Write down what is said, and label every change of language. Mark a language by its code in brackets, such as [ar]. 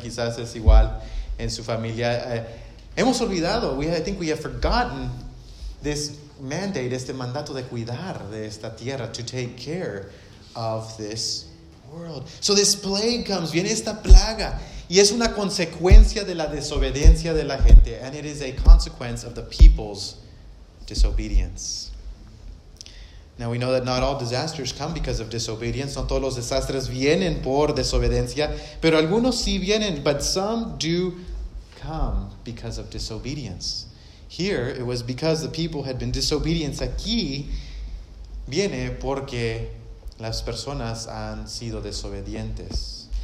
[es] Quizás es igual en su familia. Hemos olvidado. [en] I think we have forgotten this mandate, [es] este mandato de cuidar de esta tierra, [en] to take care of this world. So this plague comes. [es] Viene esta plaga. Y es una consecuencia de la desobediencia de la gente. [en] And it is a consequence of the people's disobedience. Now, we know that not all disasters come because of disobedience. [es] No todos los desastres vienen por desobediencia. Pero algunos sí vienen, [en] but some do come because of disobedience. Here, it was because the people had been disobedient. [es] Aquí viene porque las personas han sido desobedientes.